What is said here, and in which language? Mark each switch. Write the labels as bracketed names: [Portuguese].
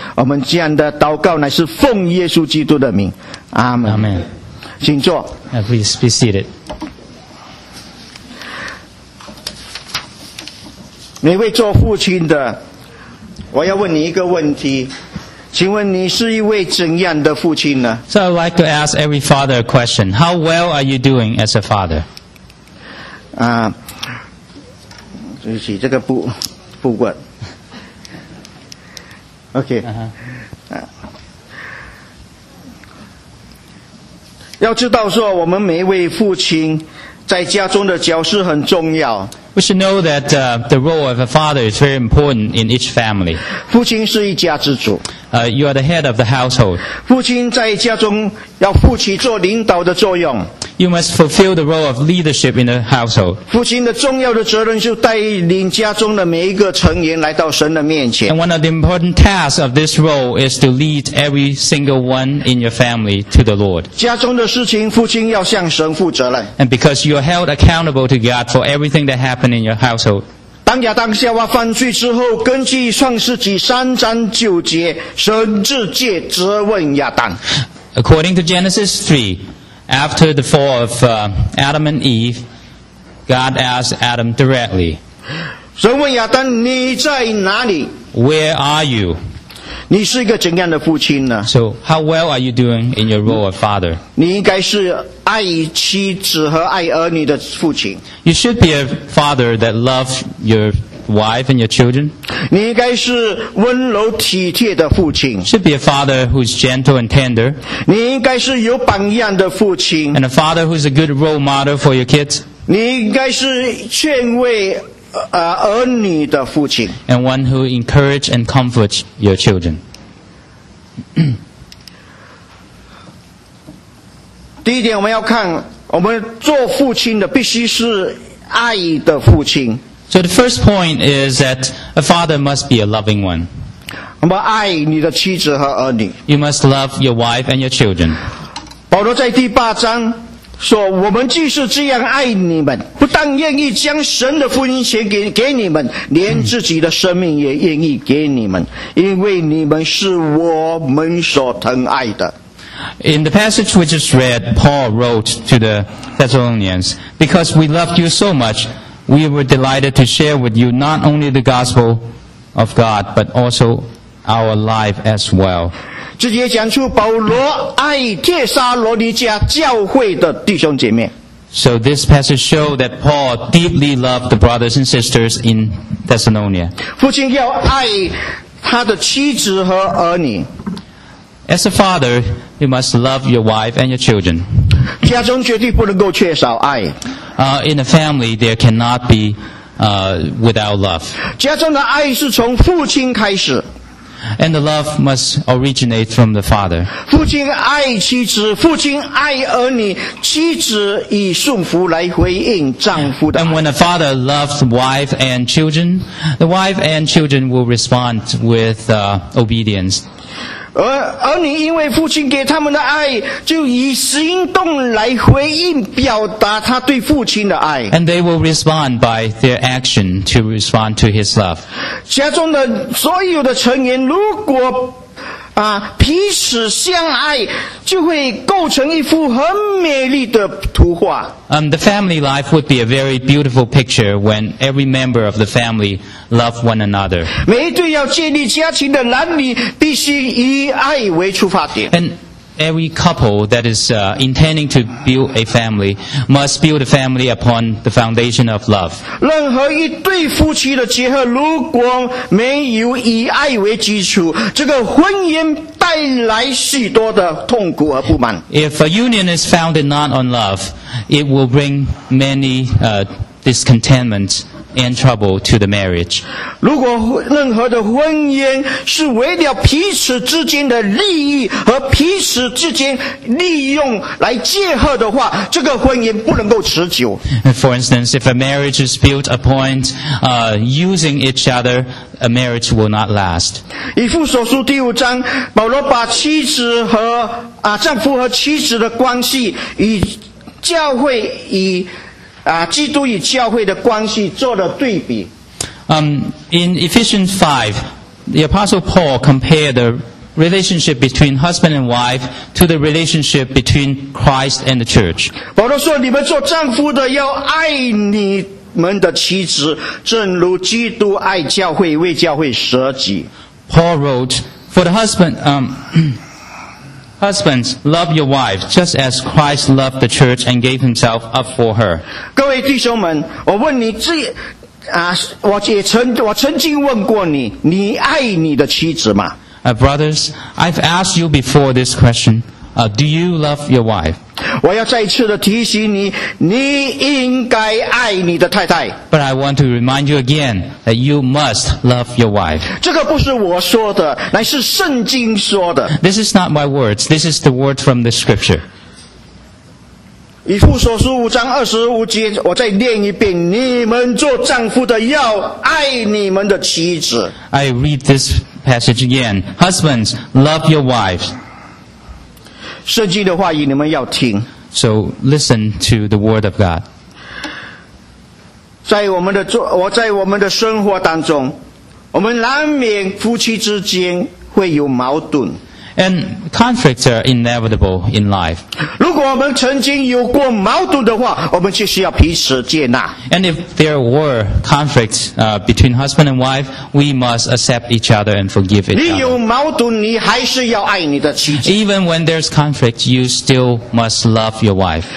[Chinese] 我们这样的祷告乃是奉耶稣基督的名，阿门。阿门。请坐。 [English] Please be seated。 [Chinese] 每位做父亲的，我要问你一个问题，请问你是一位怎样的父亲呢 [English] ？So I'd like to ask every father a question. How well are you doing as a father？ [Chinese] 对不起，这个不过。 OK， 要知道说，我们每一位父亲在家中的角色很重要。 [English] We should know that the role of a father is very important in each family. [Chinese] 父亲是一家之主。 [English] You are the head of the household. [Chinese] 父亲在家中要负起做领导的作用。 [English] You must fulfill the role of leadership in the household. [Chinese] 父亲的重要的责任就带领家中的每一个成员来到神的面前。 [English] And one of the important tasks of this role is to lead every single one in your family to the Lord. [Chinese] 家中的事情父亲要向神负责任。 [English] And because you are held accountable to God for everything that happened in your household. [Chinese] 当亚当夏娃犯罪之后，根据创世纪三章九节，神直接责问亚当。 [English] According to Genesis 3, after the fall of Adam and Eve, God asked Adam directly. [Chinese] 神问亚当，你在哪里 [English] ？Where are you？ [Chinese] 你是一个怎样的父亲呢 [English] ？So how well are you doing in your role of father？ [Chinese] 你应该是爱妻子和爱儿女的父亲。 [English] You should be a father that loves your wife and your children. [Chinese] 你应该是温柔体贴的父亲。 [English] Should be a father who's gentle and tender. [Chinese] 你应该是有榜样的父亲。 [English] And a father who's a good role model for your kids. [Chinese] 你应该是劝慰儿女的父亲。 [English] And one who encourages and comforts your children. [Chinese] 第一点我们要看，我们做父亲的必须是爱的父亲。 [English] So the first point is that a father must be a loving one. [Chinese] 我们爱你的妻子和儿女。 [English] You must love your wife and your children. [Chinese] 保罗在第八章说，我们既是这样爱你们，不但愿意将神的福音献给你们，连自己的生命也愿意给你们，因为你们是我们所疼爱的。 [English] In the passage we just read, Paul wrote to the Thessalonians, because we loved you so much, we were delighted to share with you not only the gospel of God, but also our life as well. [Chinese] 直接讲出保罗爱帖撒罗尼迦教会的弟兄姐妹。 [English] So this passage shows that Paul deeply loved the brothers and sisters in Thessalonia. [Chinese] 父亲要爱他的妻子和儿女。 [English] As a father, you must love your wife and your children. [Chinese] 家中绝对不能够缺少爱。 [English] In a family, there cannot be without love. [Chinese] 家中的爱是从父亲开始。 [English] And the love must originate from the father. [Chinese] 父亲爱妻子，父亲爱儿女，妻子以顺服来回应丈夫的爱。 [English] And when a father loves wife and children, the wife and children will respond with obedience. [Chinese] 而你因为父亲给他们的爱，就以行动来回应表达他对父亲的爱。 [English] And they will respond by their action to respond to his love. [Chinese] 家中的所有的成员如果彼此相爱，就会构成一幅很美丽的图画。 [English] The family life would be a very beautiful picture when every member of the family love one another. [Chinese] 每一对要建立家庭的男女必须以爱为出发点。 [English] And every couple that is intending to build a family must build a family upon the foundation of love. [Chinese] 任何一对夫妻的结合如果没有以爱为基础，这个婚姻带来许多的痛苦和不满。 [English] If a union is founded not on love, it will bring many discontentment and trouble to the marriage. [Chinese] 如果任何的婚姻是为了彼此之间的利益和彼此之间利用来结合的话，这个婚姻不能够持久。 [English] For instance, if a marriage is built upon using each other, a marriage will not last. [Chinese] 以弗所书第五章，保罗把妻子和丈夫和妻子的关系与教会与基督与教会的关系做了对比。 [English] In Ephesians 5, the Apostle Paul compared the relationship between husband and wife to the relationship between Christ and the church. [Chinese] 保罗说，你们做丈夫的要爱你们的妻子，正如基督爱教会，为教会舍己。 [English] Paul wrote, for the husband, Husbands, love your wives just as Christ loved the church and gave himself up for her. [Chinese] 各位弟兄们，我问你这我曾经问过你，你爱你的妻子吗？ [English] Brothers, I've asked you before this question. Do you love your wife? [Chinese] 我要再次的提醒你，你应该爱你的太太。 [English] But I want to remind you again that you must love your wife. [Chinese] 这个不是我说的，乃是圣经说的。 [English] This is not my words. This is the word from the scripture. [Chinese] 以弗所书五章二十五节，我再念一遍：你们做丈夫的要爱你们的妻子。 [English] I read this passage again. Husbands, love your wives. [Chinese] 圣经的话语你们要听。 [English] So listen to the word of God. [Chinese] 在我们的生活当中，我们难免夫妻之间会有矛盾。 [English] And conflicts are inevitable in life. [Chinese] 如果我们曾经有过矛盾的话，我们就需要彼此接纳。 [English] And if there were conflicts between husband and wife, we must accept each other and forgive each other. [Chinese] 你有矛盾，你还是要爱你的妻子。 [English] Even when there's conflict, you still must love your wife.